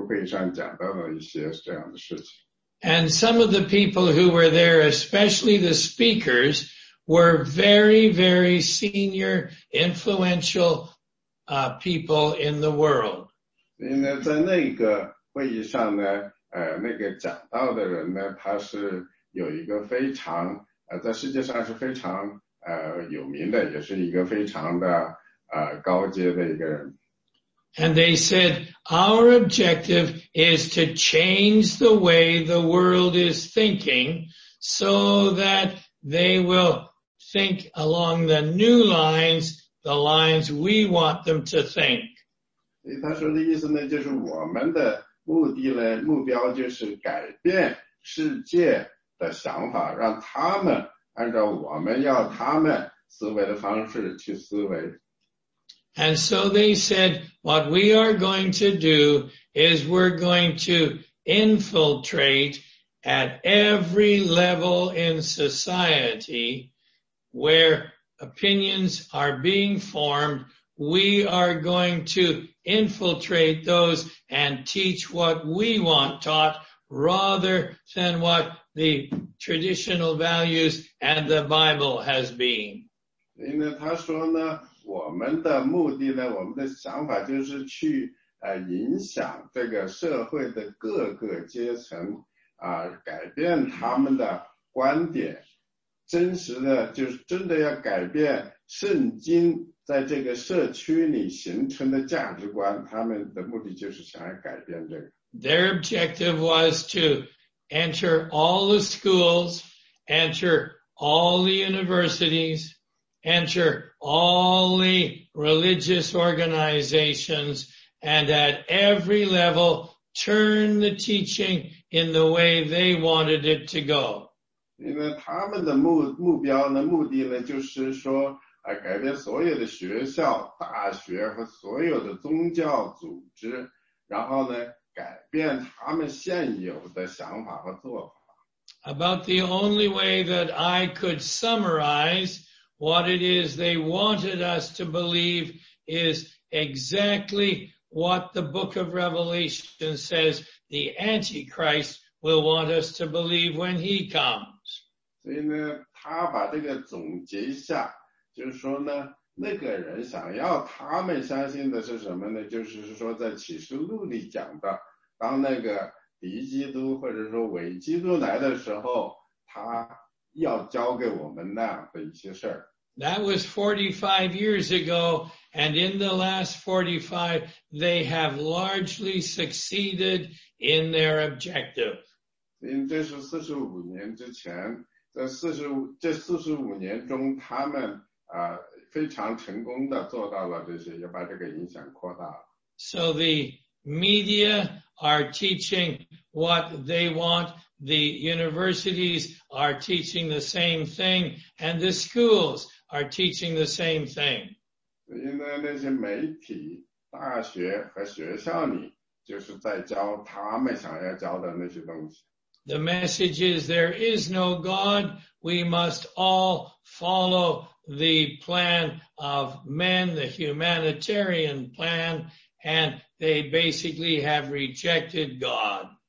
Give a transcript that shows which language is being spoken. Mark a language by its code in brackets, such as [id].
[zh] 因为他说对，你说的是对的。我们现在呢，就是这种核心的价值观已经失去了。他记得呢，他在那个旧金山的时候，他开一个会，那个会上讲到了一些这样的事情。 [en] And some of the people who were there, especially the speakers, were very, very senior, influential people in the world. [zh] 所以呢，在那个会议上呢。那个讲道的人呢，他是有一个非常，在世界上是非常有名的，也是一个非常的高阶的一个人。 [en] And they said, our objective is to change the way the world is thinking so that they will think along the new lines, the lines we want them to think. [zh] 他说的意思呢，就是我们的 目的呢，目标就是改变世界的想法，让他们按照我们要他们思维的方式去思维。 [en] And so they said, what we are going to do is we're going to infiltrate at every level in society where opinions are being formed. We are going to infiltrate those and teach what we want taught rather than what the traditional values and the Bible has been. [zh] 因为他说呢, 我们的目的呢, 我们的想法就是去, 影响这个社会的各个阶层, 改变他们的观点, 真实的, 就是真的要改变圣经, 在这个社区里形成的价值观, 他们的目的就是想要改变这个。 [en] Their objective was to enter all the schools, enter all the universities, enter all the religious organizations, and at every level, turn the teaching in the way they wanted it to go. [zh] 因为他们的目标呢，目的呢，就是说。改变所有的学校、大学和所有的宗教组织， 然后呢, 改变他们现有的想法和做法。 [en] About the only way that I could summarize what it is they wanted us to believe is exactly what the book of Revelation says the Antichrist will want us to believe when he comes. [zh] 所以呢, 他把这个总结一下, 就是说呢, 那个人想要他们相信的是什么呢? 就是说在启示录里讲的, 当那个敌基督或者说伪基督来的时候, 他要教给我们那样的一些事儿。 [en] That was 45 years ago, and in the last 45, they have largely succeeded in their objective. [zh] 这是45年之前, 这45年中, 他们 非常成功地做到了这些，也把这个影响扩大了。 [en] So the media are teaching what they want, the universities are teaching the same thing, and the schools are teaching the same thing. [zh] 因为那些媒体、大学和学校里，就是在教他们想要教的那些东西。 [en] The message is there is no God, we must all follow the plan of men, the humanitarian plan, and they basically have rejected God.